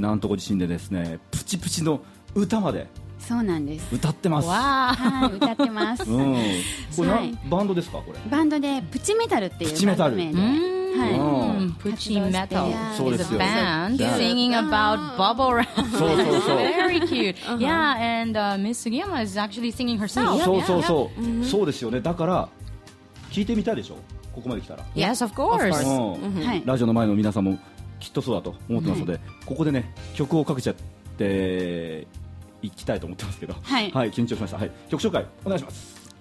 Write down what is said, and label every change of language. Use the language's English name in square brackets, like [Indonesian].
[Japanese] なんとご自身でですねプチプチの歌まで、そうなんです、歌ってます、わー、はい、歌ってます、うん、これ、はい、バンドですか、これバンドでプチメタルっていうバンド名で、プチメタル、プチメタル [English] is a band singing about bubble wrap. [Japanese] そうそうそう [English] very cute. Yeah, and Miss Sugiyama is actually singing herself. [Japanese] そうそうそう、そうですよね、だから聞いてみたいでしょ、ここまで来たら [English] Yes, of course、 [Japanese] はい、ラジオの前の皆さんもきっとそうだと思ってますので、はい、ここでね曲をかけちゃって行きたいと思ってますけど、はい、はい、緊張しました、はい、曲紹介お願いします、